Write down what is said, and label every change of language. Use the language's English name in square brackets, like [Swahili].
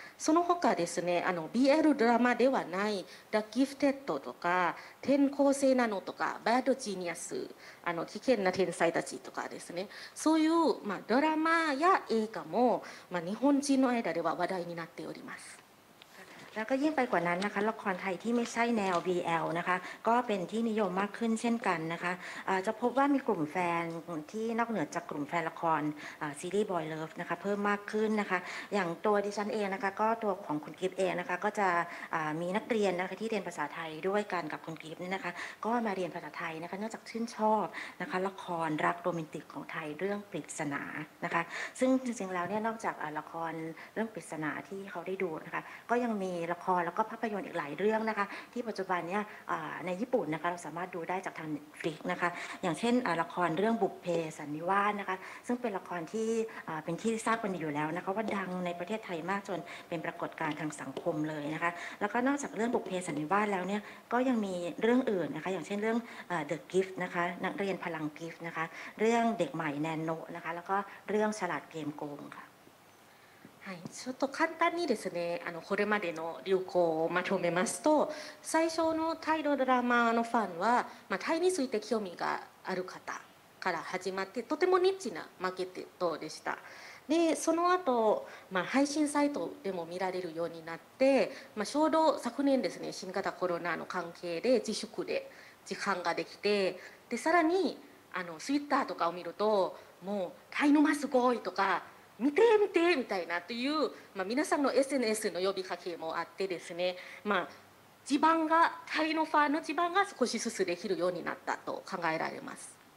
[Japanese] その他ですねBL ドラマではない「The Gifted」とか「転校生なの」とか「Bad Genius」「危険な天才たち」とかですねそういう、まあ、ドラマや映画も、まあ、日本人の間では話題になっております。 [Thai] แล้วก็ยิ่งไปกว่านั้นนะคะละครไทยที่ไม่ใช่แนว BL นะคะก็เป็นที่นิยมมากขึ้นเช่นกันนะคะจะพบว่ามีกลุ่มแฟนที่นอกเหนือจากกลุ่มแฟนละครซีรีส์ Boy Love นะคะเพิ่มมากขึ้นนะคะอย่างตัวดิฉันเองนะคะก็ตัวของคุณกิฟต์เองนะคะก็จะ มีนักเรียนนะคะที่เรียนภาษาไทยด้วยกันกับคุณกิฟต์นี่นะคะก็มาเรียนภาษาไทยนะคะเนื่องจากชื่นชอบนะคะละครรักโรแมนติกของไทยเรื่องปริศนานะคะซึ่งจริงๆแล้วเนี่ยนอกจากละครเรื่องปริศนาที่เขาได้ดูนะคะก็ยังมีละครแล้วก็ภาพยนตร์อีกหลายเรื่องนะคะที่ปัจจุบันเนี่ย ในญี่ปุ่นนะคะเราสามารถดูได้จากทาง Netflix นะคะอย่างเช่นละครเรื่องบุพเพสันนิวาสนะคะซึ่งเป็นละครที่เป็นที่ทราบกันอยู่แล้วนะคะว่าดังในประเทศไทยมากจนเป็นปรากฏการณ์ทางสังคมเลยนะคะแล้วก็นอกจากเรื่องบุพเพสันนิวาสแล้วเนี่ยก็ยังมีเรื่องอื่นนะคะอย่างเช่นเรื่อง The Gift นะคะนักเรียนพลังกิฟต์นะคะเรื่องเด็กใหม่แนนโนนะคะแล้วก็เรื่องฉลาดเกมโกงค่ะ [Japanese] はい、ちょっと簡単にですねこれまでの流行をまとめますと最初のタイのドラマのファンは、まあ、タイについて興味がある方から始まってとてもニッチなマーケットでした。でその後、まあ、配信サイトでも見られるようになって、まあ、ちょうど昨年ですね新型コロナの関係で自粛で時間ができてでさらにツイッターとかを見るともうタイ沼すごいとか見て見てみたいなという、まあ、皆さんの SNS の呼びかけもあってですね、まあ、地盤がタイのファンの地盤が少しずつできるようになったと考えられます。